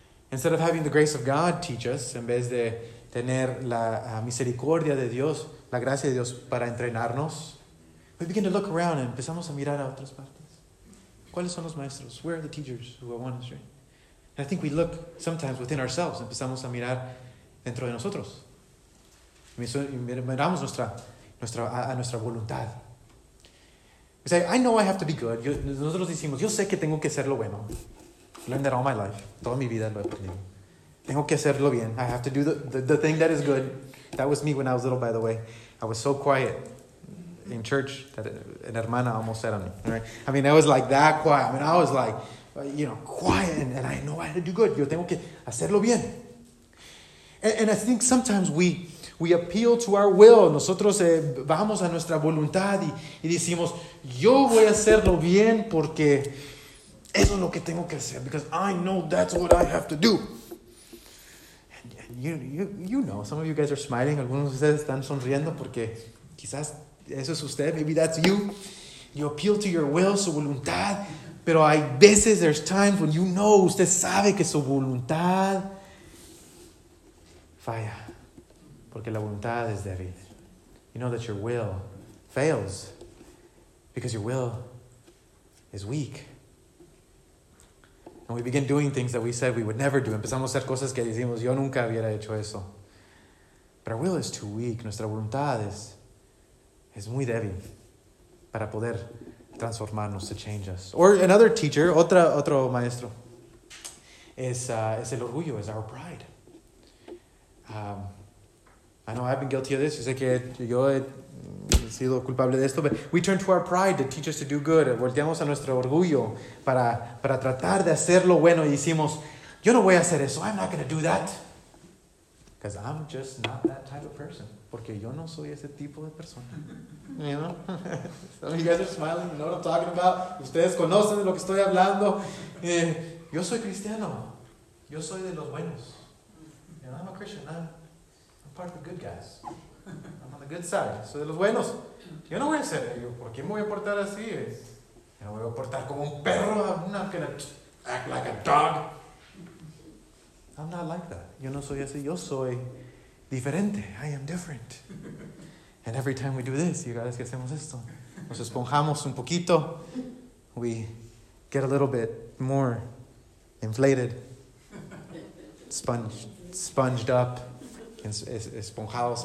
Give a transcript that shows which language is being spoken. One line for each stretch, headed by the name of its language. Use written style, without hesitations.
English: Instead of having the grace of God teach us,
Spanish: en vez de tener la misericordia de Dios, la gracia de Dios para entrenarnos,
English: we begin to look around and
Spanish: empezamos a mirar a otras partes. ¿Cuáles son los maestros?
English: Where are the teachers who are one, right? And I think we look sometimes within ourselves.
Spanish: Empezamos a mirar dentro de nosotros. Miramos nuestra voluntad.
English: We say, I know I have to be good.
Spanish: Nosotros decimos, yo sé que tengo que ser lo bueno.
English: I learned that all my life.
Spanish: Toda mi vida lo he aprendido. Tengo que hacerlo bien.
English: I have to do the thing that is good. That was me when I was little, by the way. I was so quiet in church that an hermana almost said on me. Right? I mean, I was like that quiet. I mean, I was like, you know, quiet, and I know I had to do good.
Spanish: Yo tengo que hacerlo bien.
English: And I think sometimes we appeal to our will.
Spanish: Nosotros vamos a nuestra voluntad y decimos, yo voy a hacerlo bien porque eso es lo que tengo que hacer.
English: Because I know that's what I have to do. And you know, some of you guys are smiling.
Spanish: Algunos de ustedes están sonriendo porque quizás eso es usted.
English: Maybe that's you. You appeal to your will,
Spanish: su voluntad. Pero hay veces,
English: there's times when you know,
Spanish: usted sabe que su voluntad falla. Porque la voluntad es débil.
English: You know that your will fails. Because your will is weak. And we begin doing things that we said we would never do.
Spanish: Empezamos a hacer cosas que decimos, yo nunca hubiera hecho eso.
English: But our will is too weak.
Spanish: Nuestra voluntad es muy débil para poder transformarnos,
English: to change us. Or another teacher,
Spanish: otro maestro, es el orgullo, es
English: our pride. I know I've been guilty of this.
Spanish: Yo sé que yo he sido culpable de esto,
English: but we turn to our pride to teach us to do good.
Spanish: Volteamos a nuestro orgullo para tratar de hacer lo bueno y decimos, yo no voy a hacer eso,
English: I'm not going to do that. Because I'm just not that type of person.
Spanish: Porque yo no soy ese tipo de persona.
English: You know? Some of you guys are smiling. You know what I'm talking about.
Spanish: Ustedes conocen de lo que estoy hablando. Yo soy cristiano. Yo soy de los buenos.
English: You know, I'm a Christian. I'm part of the good guys. I'm on the good side.
Spanish: Soy de los buenos. Yo no voy a ser. Yo, ¿por qué me voy a portar así? Yo no voy a portar como un perro.
English: I'm not going to act like a dog. I'm not like that.
Spanish: Yo no soy así. Yo soy diferente.
English: I am different. And every time we do this, you guys,
Spanish: que hacemos esto, nos esponjamos un poquito,
English: we get a little bit more inflated, sponged up,
Spanish: esponjados.